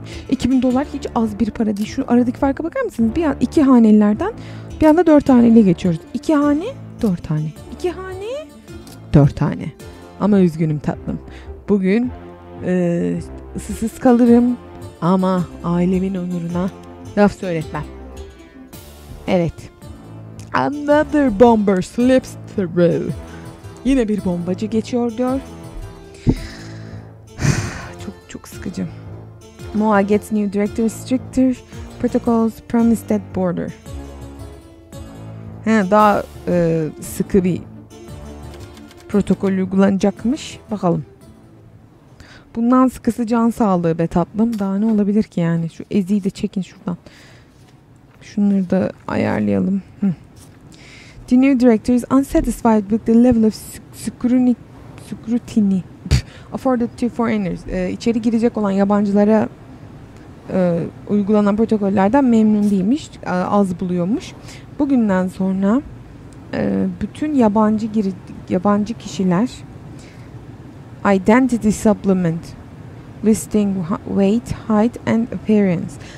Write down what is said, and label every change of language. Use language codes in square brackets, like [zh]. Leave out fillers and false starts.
[tr] $2000 hiç az bir para değil. Şu aradaki farka bakar mısınız? Bir an iki hanelerden bir anda dört haneliye geçiyoruz. İki hane, dört hane. İki hane, dört hane. Ama üzgünüm tatlım. Bugün ısısız kalırım. Ama ailemin onuruna laf söyletmem. Evet. [en] Another bomber slips through. [tr] Yine bir bombacı geçiyor diyor. Çok çok sıkıcı. [en] MOA gets new director, stricter protocols, promised at border. [tr] He, daha sıkı bir protokol uygulanacakmış. Bakalım. Bundan sıkısı can sağlığı be tatlım. Daha ne olabilir ki yani? Şu eziyi de çekin şuradan. Şunları da ayarlayalım. [en] The new director is unsatisfied with the level of scrutiny afforded to foreigners. [tr] İçeri girecek olan yabancılara uygulanan protokollerden memnun değilmiş. Az buluyormuş. Bugünden sonra bütün yabancı kişiler [en] identity supplement listing weight, height and appearance.